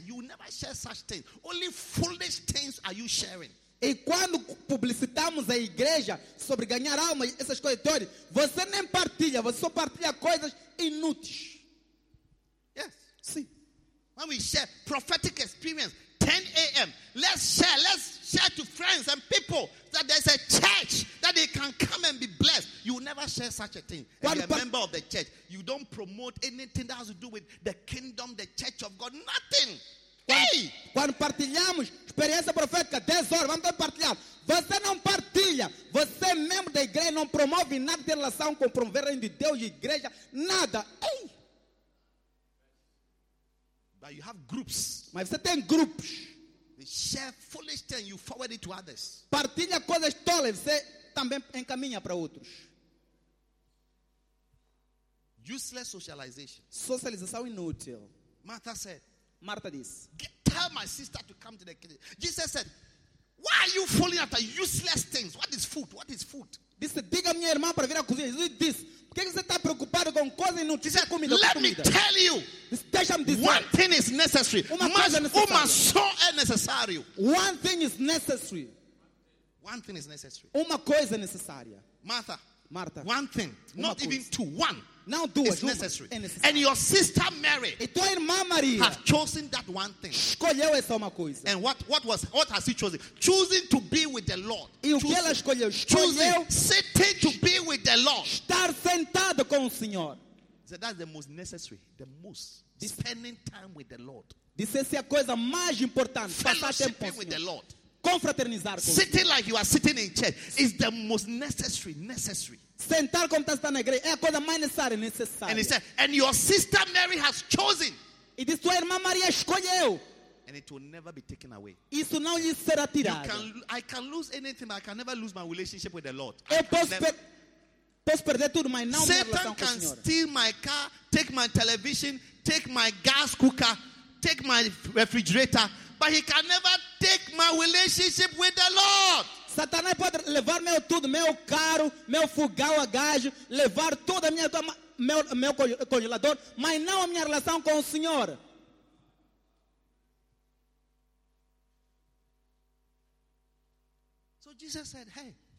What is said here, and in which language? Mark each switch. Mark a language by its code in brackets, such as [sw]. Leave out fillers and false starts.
[en] You will never share such things. Only foolish things are you sharing. [pt] E quando publicitamos a igreja sobre ganhar alma e essas coisas todas, você nem partilha, você só partilha coisas inúteis. [en] Yes. [pt] Sim. [en] When we share prophetic experience, 10 a.m., let's share to friends and people that there's a church that they can come and be blessed. You will never share such a thing. [pt] Quando [en] you're a member of the church, you don't promote anything that has to do with the kingdom, the church of God, nothing. [pt] Quando partilhamos experiência profética 10 horas, vamos partilhar. Você não partilha. Você é membro da igreja, não promove nada de relação com promover de Deus e igreja, nada. Ei. [en] But you have groups. [pt] Mas você tem grupos. [en] They share foolish things, you forward it to others. [pt] Partilha coisas tolas, você também encaminha para outros. [en] Useless socialization. [pt] Socialização inútil. [en] Martha said. [pt] Martha disse, [en] tell my sister to come to the kitchen. Jesus said, why are you falling after useless things? What is food? What is food? [pt] Disse, diga minha irmã para vir à cozinha. Jesus disse, por que você está preocupado com coisas inúteis? [en] Let me tell you. [pt] Deixa-me dizer. [en] One thing is necessary. [pt] Uma coisa é necessária. [en] One thing is necessary. One thing is necessary. [pt] Uma coisa é necessária. [en] Martha. [pt] Martha. [en] One thing. Not even two. One. Now do it's necessary. And your sister Mary, [pt] e tua irmã Maria, [en] have chosen that one thing. [pt] Escolheu essa uma coisa. [en] And what has she chosen? Choosing to be with the Lord. [pt] E o que ela escolheu? [en] Choosing sitting to be with the Lord. [pt] Estar sentado com o Senhor. [en] So that's the most necessary. The most. This, spending time with the Lord. [pt] Disse essa coisa mais importante. Passar tempo com [en] with the Lord. [pt] Confraternizar com [en] sitting like you are sitting in church is the most necessary. Necessary. [pt] Sentar como está na igreja é a coisa mais necessária. Necessária. [en] And he said, and your sister Mary has chosen. [pt] E disse, tua irmã Maria escolheu. [en] And it will never be taken away. [pt] Isso não lhe será tirado. [en] I can lose anything, but I can never lose my relationship with the Lord. [pt] Posso perder tudo, mas não [en] Satan can [pt] com [en] steal my car, take my television, take my gas cooker, take my refrigerator, but he can never take my relationship with the Lord. [pt] Satanás pode levar meu tudo, meu carro, meu fogão a gás, levar toda a minha meu congelador, mas não a minha relação com o Senhor. [en] So Jesus said, hey.